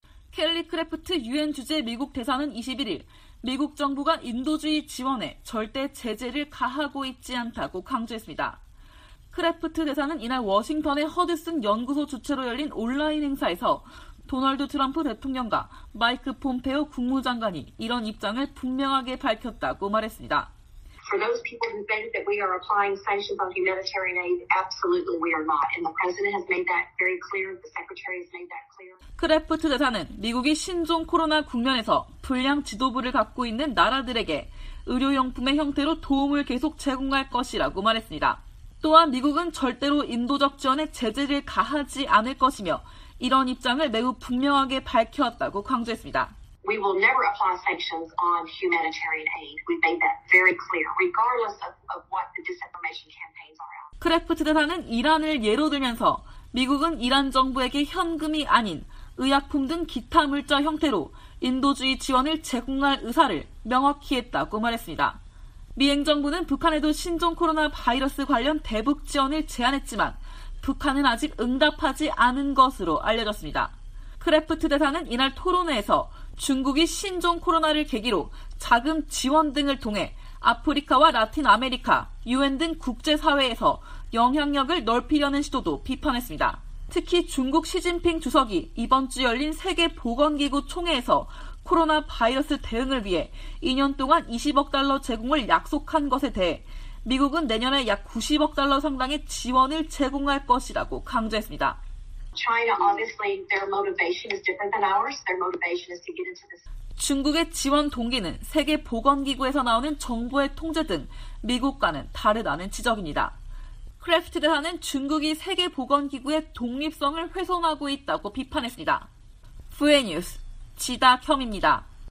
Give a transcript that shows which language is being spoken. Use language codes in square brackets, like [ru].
[ko] 켈리 크래프트 유엔 주재 미국 대사는 21일 미국 정부가 인도주의 지원에 절대 제재를 가하고 있지 않다고 강조했습니다. 크래프트 대사는 이날 워싱턴의 허드슨 연구소 주최로 열린 온라인 행사에서 도널드 트럼프 대통령과 마이크 폼페오 국무장관이 이런 입장을 분명하게 밝혔다고 말했습니다. [en] For those people who think that we are applying sanctions on humanitarian aid, absolutely we are not. And the president has made that very clear. The secretary has made that clear. [ko] 크래프트 대사는 미국이 신종 코로나 국면에서 불량 지도부를 갖고 있는 나라들에게 의료용품의 형태로 도움을 계속 제공할 것이라고 말했습니다. 또한 미국은 절대로 인도적 지원에 제재를 가하지 않을 것이며 이런 입장을 매우 분명하게 밝혔다고 강조했습니다. [en] We will never apply sanctions on humanitarian aid. We made that very clear, regardless of what the disinformation campaigns are. [ko] 크래프트 대사는 이란을 예로 들면서 미국은 이란 정부에게 현금이 아닌 의약품 등 기타 물자 형태로 인도주의 지원을 제공할 의사를 명확히 했다고 말했습니다. 미 행정부는 북한에도 신종 코로나 바이러스 관련 대북 지원을 제안했지만 북한은 아직 응답하지 않은 것으로 알려졌습니다. 크래프트 대사는 이날 토론회에서 중국이 신종 코로나를 계기로 자금 지원 등을 통해 아프리카와 라틴 아메리카, 유엔 등 국제사회에서 영향력을 넓히려는 시도도 비판했습니다. 특히 중국 시진핑 주석이 이번 주 열린 세계보건기구 총회에서 코로나 바이러스 대응을 위해 2년 동안 20억 달러 제공을 약속한 것에 대해 미국은 내년에 약 90억 달러 상당의 지원을 제공할 것이라고 강조했습니다. [en] China, obviously, their motivation is different than ours. Their motivation is to get into this. [ko] 중국의 지원 동기는 세계보건기구에서 나오는 정부의 통제 등 미국과는 다르다는 지적입니다. 크래프트 대사는 중국이 세계보건기구의 독립성을 훼손하고 있다고 비판했습니다. 후에뉴스 지다켬입니다.